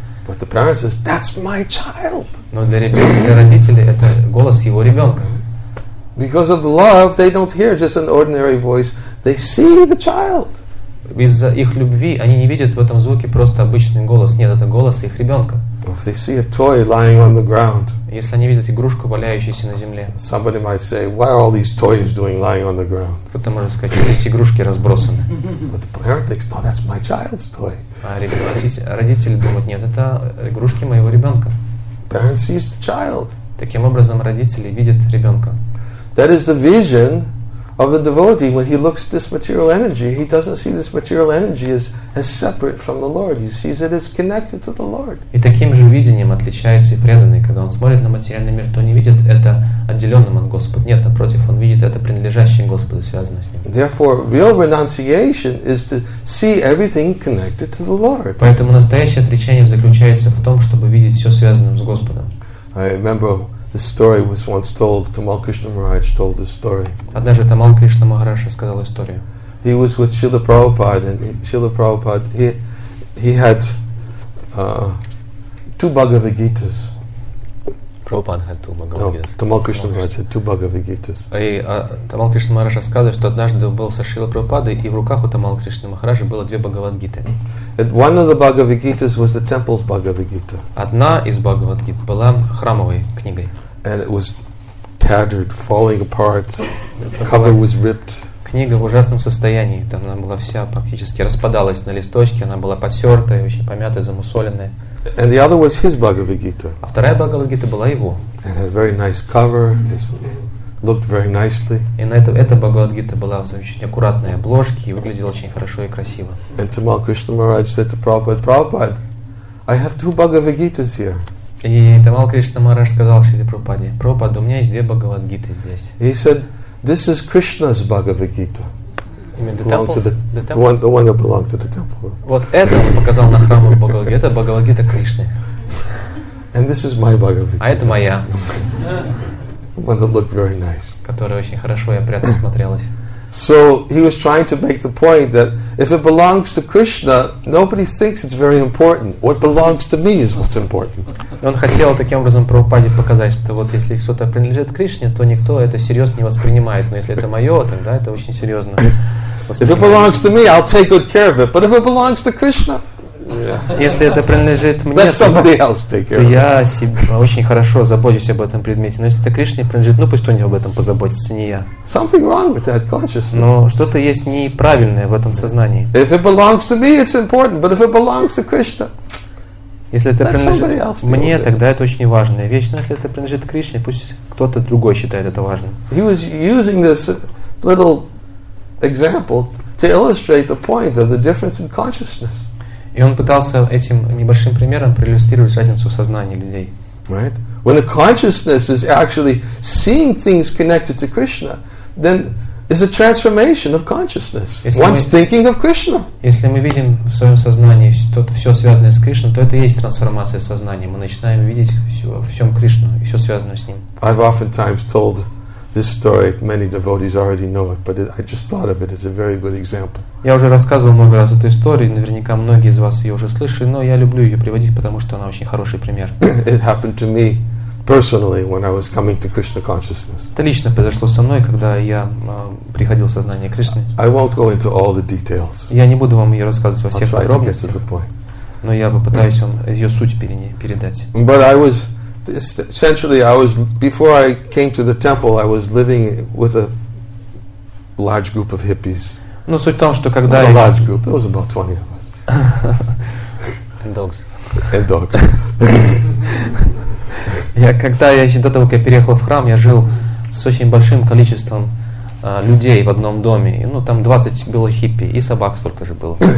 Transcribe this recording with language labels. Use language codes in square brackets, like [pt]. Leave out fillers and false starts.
[en] But the parent says, "That's my child." [ru] Но для родителей это голос его ребенка. [en] Because of love, they don't hear just an ordinary voice. They see the child. [ru] Из-за их любви они не видят в этом звуке просто обычный голос. Нет, это голос их ребенка. [en] Well, if they see a toy lying on the ground. [ru] Если они видят игрушку, валяющуюся на земле. [en] Somebody might say, "Why are all these toys doing lying on the ground?" [ru] Кто-то может сказать, что здесь игрушки разбросаны. [en] But the parent thinks, "No, that's my child's toy." [ru] А родители думают, нет, это игрушки моего ребенка. [en] Parent sees the child. [ru] Таким образом, родители видят ребенка. [en] That is the vision of the devotee. When he looks at this material energy, he doesn't see this material energy as separate from the Lord. He sees it as connected to the Lord. [ru] И таким же видением отличается и преданный, когда он смотрит на материальный мир, то не видит это отделенным от Господа. Нет, напротив, он видит это принадлежащим Господу, связанное с ним. [en] Therefore, real renunciation is to see everything connected to the Lord. [ru] Поэтому настоящее отречение заключается в том, чтобы видеть все связанным с Господом. [en] I remember this story was once told. Tamal Krishna Maharaj told this story. [ru] Однажды Тамал Кришна Махарадж рассказал историю. [en] He was with Srila Prabhupada, and Srila Prabhupada he had two Bhagavad Gitas. Prabhupada had two Bhagavad Gitas. No, Tamal Krishna Maharaj had two Bhagavad Gitas. [ru] И Тамал Кришна Махарадж рассказывает, что однажды был со Шрила Прабхупадой, и в руках у Тамал Кришна Махараджа было две Бхагавад Гиты. [en] And one of the Bhagavad Gitas was the temple's Bhagavad Gita. [ru] Одна из Бхагавад Гит была храмовой книгой. [en] And it was tattered, falling apart. Cover was ripped. [ru] Книга в ужасном состоянии. Там она была вся практически распадалась на листочки. Она была потертая, очень помятая, замусоленная. [en] And the other was his Bhagavad Gita. [ru] А вторая Бхагавад Гита была его. [en] And had a very nice cover. Looked very nicely. [ru] И на эта Бхагавад Гита была в очень аккуратной обложке и выглядела очень хорошо и красиво. [en] And Tamal Krishna Maharaj said to Prabhupada, "Prabhupada, I have two Bhagavad Gitas here." [ru] И Тамал Кришна Махарадж сказал Шриле Прабхупаде, "Прабхупада, у меня есть две Бхагавад Гиты здесь." [en] He said, "This is Krishna's Bhagavad Gita." The one that belonged to the temple. [ru] Вот это он показал на храму Бхагавад Гита. Это Бхагавад Гита Кришны. [en] And this is my Bhagavad Gita. [ru] А это моя. [en] One that looked very nice. [ru] Которая очень хорошо и опрятно смотрелась. [en] So he was trying to make the point that if it belongs to Krishna, nobody thinks it's very important. What belongs to me is what's important. [ru] Он хотел таким образом Прабхупаде показать, что вот если что-то принадлежит Кришне, то никто это серьезно не воспринимает. Но если это мое, тогда это очень серьезно. [en] If it belongs to me, I'll take good care of it. But if it belongs to Krishna, [ru] Если это принадлежит мне, я очень хорошо забочусь об этом предмете. Но если это Кришне принадлежит, ну пусть кто-нибудь об этом позаботится, не я. [en] Something wrong with that consciousness. [ru] Но что-то есть неправильное в этом сознании. [en] If it belongs to me, it's important, but if it belongs to Krishna. [ru] Если это принадлежит мне, тогда это очень важная вещь. Но если это принадлежит Кришне, пусть кто-то другой считает это важным. [en] He was using this little example to illustrate the point of the difference in consciousness. [ru] И он пытался этим небольшим примером проиллюстрировать разницу в сознании людей. [en] Right? When the consciousness is actually seeing things connected to Krishna, then is a transformation of consciousness. Once thinking of Krishna. [ru] Если мы видим в своем сознании что-то все связанное с Кришной, то это и есть трансформация сознания. Мы начинаем видеть все во всем Кришну и все связанное с ним. [en] I've oftentimes told this story. Many devotees already know it, but I just thought of it. It's a very good example. [ru] Я уже рассказывал много раз эту историю. Наверняка многие из вас ее уже слышали, но я люблю ее приводить, потому что она очень хороший пример. [en] It happened to me personally when I was coming to Krishna consciousness. [ru] Это лично произошло со мной, когда я приходил в сознание Кришны. [en] I won't go into all the details. [ru] Я не буду вам ее рассказывать во всех подробностях. Но я попытаюсь вам ее суть передать. [en] But I was essentially I was before I came to the temple I was living with a large group of hippies. [ru] Ну суть в том, что когда [en] a large group, it was about 20 of us. And dogs. [ru] Когда я переехал в храм, я жил с очень большим количеством людей в одном доме. И, ну, там 20 было хиппи, и собак столько же было.